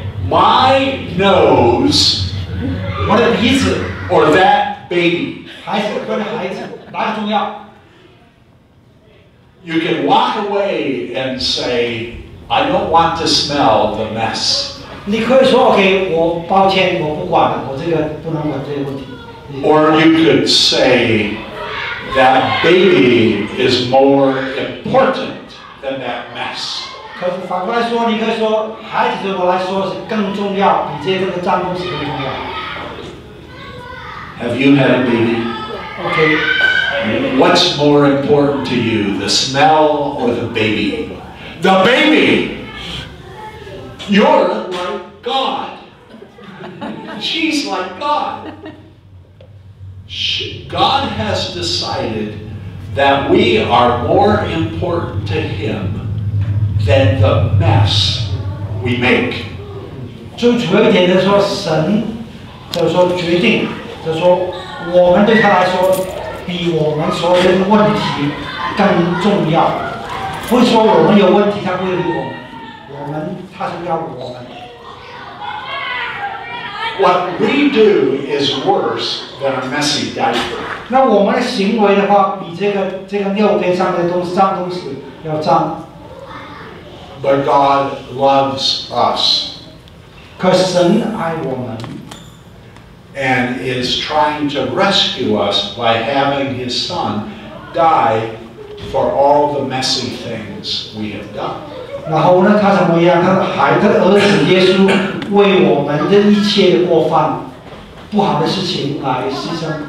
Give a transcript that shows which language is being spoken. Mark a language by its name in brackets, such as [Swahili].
[English] ？My nose。 [Chinese] 我的鼻子。 [English] Or that baby？ [Chinese] 孩子和孩子哪个重要？ [English] You can walk away and say, I don't want to smell the mess. [Chinese] 你可以说 OK, 我抱歉我不管了我这个不能管这个问题。 [English] Or you could say, that baby is more important than that mess. [Chinese] 可是反过来说你可以说孩子对我来说是更重要比这个脏东西更重要。 [English] Have you had a baby? OK. What's more important to you, the smell or the baby? The baby! You're like God. She's like God. God has decided that we are more important to Him than the mess we make. [Chinese] 就主要一点就是说神就是说决定就是说我们对他来说比我们所有的问题更重要。不是说我们有问题，他不会理我们。我们，他是要我们。 [English] What we do is worse than a messy diaper. [Chinese] 那我们的行为的话，比这个尿边上的东脏东西要脏。 [English] But God loves us. [Chinese] 可神爱我们。 [English] And is trying to rescue us by having his son die for all the messy things we have done. [Chinese] 然后呢，他怎么样？他孩子的儿子耶稣为我们的一切过犯、不好的事情来牺牲。